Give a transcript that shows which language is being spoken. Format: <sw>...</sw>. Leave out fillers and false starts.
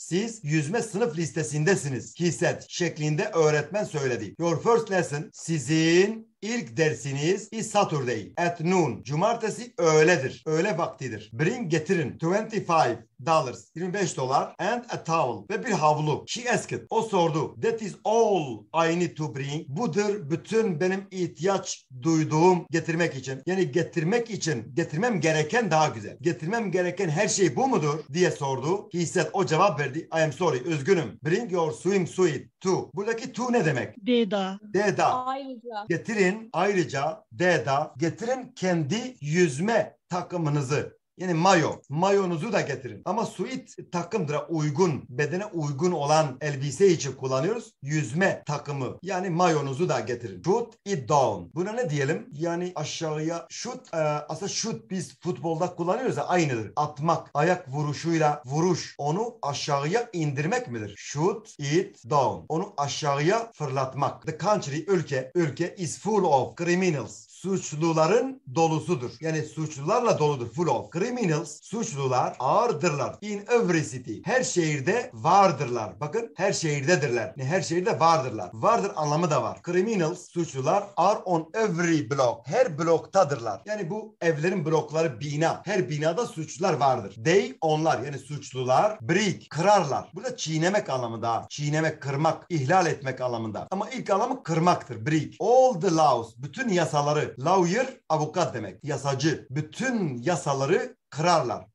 <tr>Siz yüzme sınıf listesindesiniz.</tr> <en>He said</en> <tr>şeklinde öğretmen söyledi.</tr> <en>Your first lesson</en> <tr>sizin ilk dersiniz</tr> <en>is Saturday at noon.</en> <tr>Cumartesi öğledir. Öğle vaktidir. Bring getirin. $25.</tr> <en>$25 and a towel.</en> <tr>Ve bir havlu.</tr> <en>She asked.</en> <tr>O sordu.</tr> <en>That is all I need to bring.</en> <tr>Budur bütün benim ihtiyaç duyduğum getirmek için. Yani getirmek için getirmem gereken daha güzel. Getirmem gereken her şey bu mudur? Diye sordu. He said. O cevap verdi.</tr> <en>I am sorry.</en> <tr>Üzgünüm.</tr> <en>Bring your swimsuit to.</en> <tr>Buradaki to ne demek? Deda. Deda. Ayrıca. Getirin. Ayrıca. Deda. Getirin kendi yüzme takımınızı. Yani mayo. Mayonuzu da getirin. Ama suit takımdır. Uygun. Bedene uygun olan elbise için kullanıyoruz. Yüzme takımı. Yani mayonuzu da getirin.</tr> <en>Shoot it down.</en> <tr>Buna ne diyelim? Yani aşağıya shoot. Aslında shoot biz futbolda kullanıyoruz ya aynıdır. Atmak. Ayak vuruşuyla vuruş. Onu aşağıya indirmek midir?</tr> <en>Shoot it down.</en> <tr>Onu aşağıya fırlatmak. The country, ülke.</tr> <en>Ülke is full of criminals.</en> <tr>Suçluların dolusudur. Yani suçlularla doludur.</tr> <en>Full of criminals.</en> <tr>Suçlular ağırdırlar.</tr> <en>In every city.</en> <tr>Her şehirde vardırlar. Bakın her şehirdedirler. Yani her şehirde vardırlar. Vardır anlamı da var. Criminals.</tr> <en>Suçlular are on every block.</en> <tr>Her bloktadırlar. Yani bu evlerin blokları bina. Her binada suçlular vardır. They onlar. Yani suçlular break. Kırarlar. Burada çiğnemek anlamında. Çiğnemek, kırmak, ihlal etmek anlamında. Ama ilk anlamı kırmaktır. Break.</tr> <en>All the laws.</en> <tr>Bütün yasaları. Lawyer, avukat demek. Yasacı. Bütün yasaları kırarlar.</tr>